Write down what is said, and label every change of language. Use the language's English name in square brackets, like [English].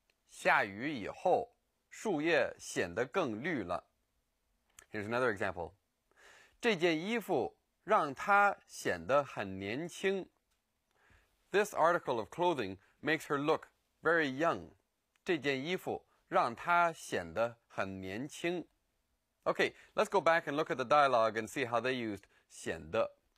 [Chinese] 下雨以后树叶显得更绿了 [English] Here's another example. [Chinese] 这件衣服让她显得很年轻。 [English] This article of clothing makes her look very young. [Chinese] 这件衣服让她显得很年轻。 [English] Okay, let's go back and look at the dialogue and see how they used 显得。